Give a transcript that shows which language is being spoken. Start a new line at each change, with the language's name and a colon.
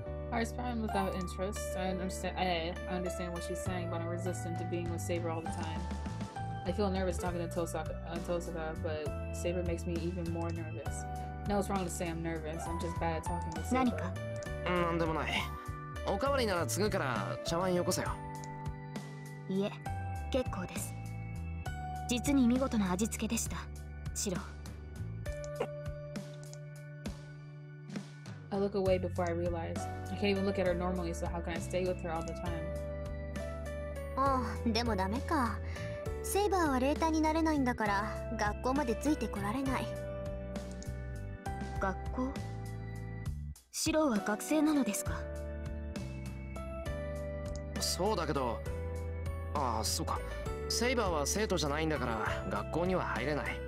English: I respond without interest. I understand what she's saying, but I'm resistant to being with Saber all the time. I feel nervous talking to Tosaka, but Saber makes me even more nervous. No, it's wrong to say I'm nervous. I'm just bad at talking to Saber.
Japanese: 何か？なんでもない。おかわりなら継ぐから茶碗よこせよ。いえ、結構です。実に見事な味付けでした、シロ。
English: I look away before I realize. I can't even look at her normally, so how can I stay with her all the time?
Japanese: Oh, でもダメか。セイバーは霊体になれないんだから、学校までついてこられない。学校？シロは学生なのですか？そうだけど、ああ、そうか。セイバーは生徒じゃないんだから、学校には入れない。